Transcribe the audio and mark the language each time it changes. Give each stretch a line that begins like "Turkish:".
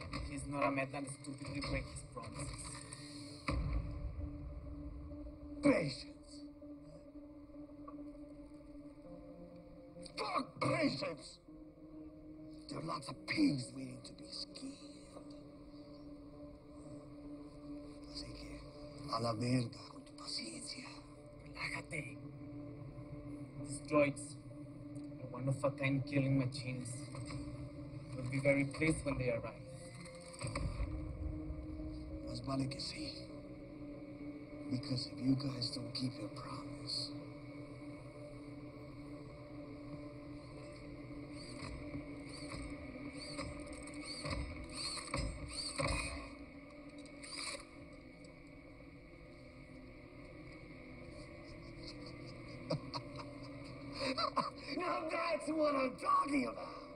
English: He's not a man that stupidly breaks his promises. Patience. Fuck patience! There are lots of pigs waiting to be skinned.
Spanish: Así que, a la verga con tu paciencia. Relájate.
English: These droids are one of a kind killing machines. We'll be very pleased when they arrive.
Spanish: Más vale que sí.
English: Because if you guys don't keep your promise, now that's what I'm talking about.